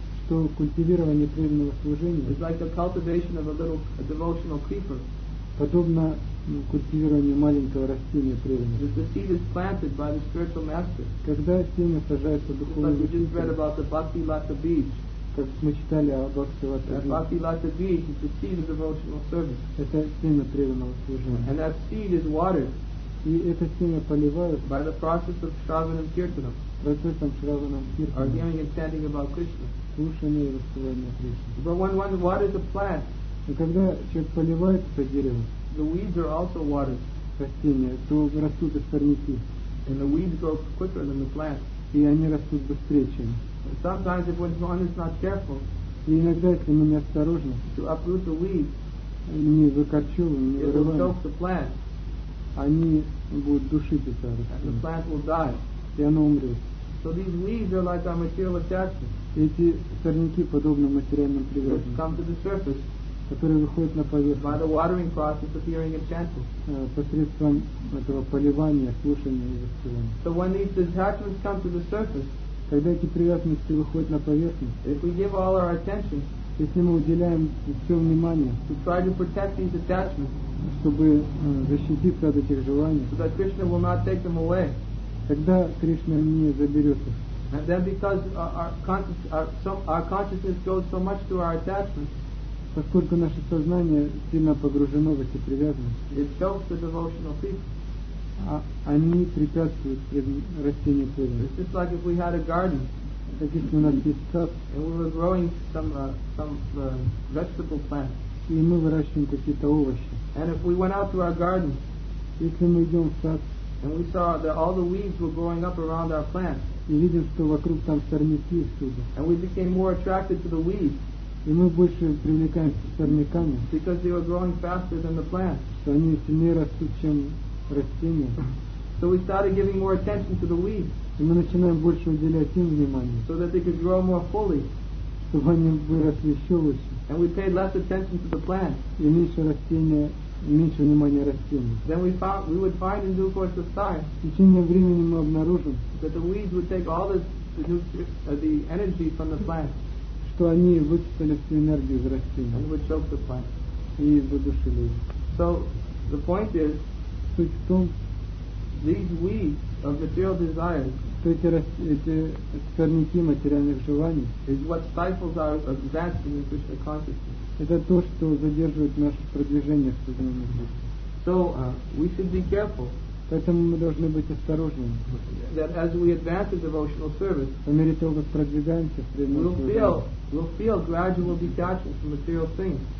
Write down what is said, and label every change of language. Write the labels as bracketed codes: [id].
[ru] Что культивирование преданного служения. [en] It's like the cultivation of a little devotional creeper. [ru] Подобно культивированию маленького растения преданного. [en] The seed is planted by the spiritual master. [ru] Когда семя сажается духовным учителем. [en] Just like we just read about the Bhakti Lata Beach. [ru] Как мы читали о Бхакти Лата Бидж. [en] Bhakti Lata Beach is the seed of devotional service. [ru] Это семя преданного служения. [en] And that seed is watered. [ru] И это семя поливают. [en] By the process of Shravanam Kirtanam. [ru] Процессом Shravanam Kirtanam. [en] Or hearing and chanting about Krishna. [ru] Слушание и воспевание Кришны. [en] But when one waters a plant. [ru] И когда человек поливает это дерево. [en] The weeds are also watered. [ru] Растения, то растут и сорняки. [en] And the weeds grow quicker than the plants. [ru] И они растут быстрее, чем. [en] And sometimes if one is not careful. [ru] И иногда, если мы неосторожны. [en] To uproot the weeds. [ru] Не выкорчевываем, не вырываем. [en] It will choke the plant. [ru] Они будут душить это растение. [en] And the plant will die. [ru] И оно умрет. [en] So these weeds are like our material attachments. [ru] Эти сорняки подобны материальным привязанным. [en] Which come to the surface. [ru] Которые выходят на поверхность. [en] By the watering process of hearing and chanting. [ru] Посредством этого поливания, слушания и воспевания. [en] So when these attachments come to the surface. [ru] Когда эти привязанности выходят на поверхность. [en] If we give all our attention. [ru] Если мы уделяем все внимание. [en] To try to protect these attachments. [ru] Чтобы защититься от этих желаний. [en] So that Krishna will not take them away. [ru] Тогда Кришна не заберет их. [en] And then because our consciousness goes so much to our attachments, [ru] поскольку наше сознание сильно погружено в эти привязанности, [en] it helps the devotional people. [ru] Они препятствуют растению преданности. [en] It's just like if we had a garden, [ru] как если у нас есть сад, [en] and we were growing some vegetable plants, [ru] и мы выращиваем какие-то овощи, [en] and if we went out to our garden, [ru] если мы идем в сад, [en] and we saw that all the weeds were growing up around our plants, [ru] и видим, что вокруг там сорняки всюду, [en] and we became more attracted to the weeds, [ru] и мы больше привлекаемся к сорнякам, [en] because they were growing faster than the plants, [ru] что они сильнее растут, чем растения, [en] so we started giving more attention to the weeds, [ru] и мы начинаем больше уделять им внимание, [en] so that they could grow more fully, [ru] чтобы они выросли еще лучше, [en] and we paid less attention to the plants, [ru] и меньше растения. Меньше внимания растений. [en] Then we would find in due course of time. [ru] В течение времени мы обнаружим, [en] that the weeds would take all the energy from the plant. [ru] Что они высосали всю энергию из растений. [en] And would choke the plant. [ru] И задушили их. [en] So the point is, [ru] суть в том, [en] these weeds of material desires, [ru] что эти сорняки материальных желаний, [en] is what stifles our advancement in Krishna consciousness. [ru] Это то, что задерживает наше продвижение в сознании. [en] So, we should be careful. [ru] Поэтому мы должны быть осторожными. [en] That as we advance in devotional service, [ru] по мере того, как продвигаемся в преданном [en] служении, we'll feel gradual detachment from material things.